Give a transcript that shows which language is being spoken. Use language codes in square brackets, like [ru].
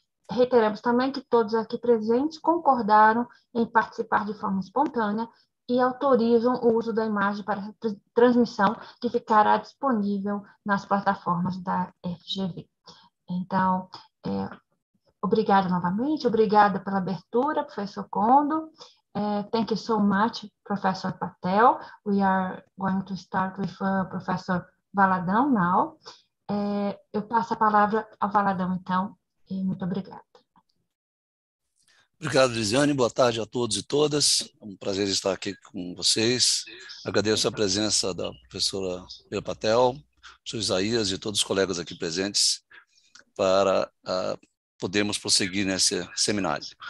[pt] Reiteramos também que todos aqui presentes concordaram em participar de forma espontânea e autorizam o uso da imagem para transmissão que ficará disponível nas plataformas da FGV. Então, obrigada novamente, obrigada pela abertura, professor Kondo. [en] Thank you so much, professor Patel. We are going to start with professor Valadão now. [pt] Eu passo a palavra ao Valadão, então, e muito obrigada. Obrigado, Lisiane. Boa tarde a todos e todas. É um prazer estar aqui com vocês. Agradeço a presença da professora Leila Patel, professor Isaías e todos os colegas aqui presentes para podermos prosseguir nesse seminário.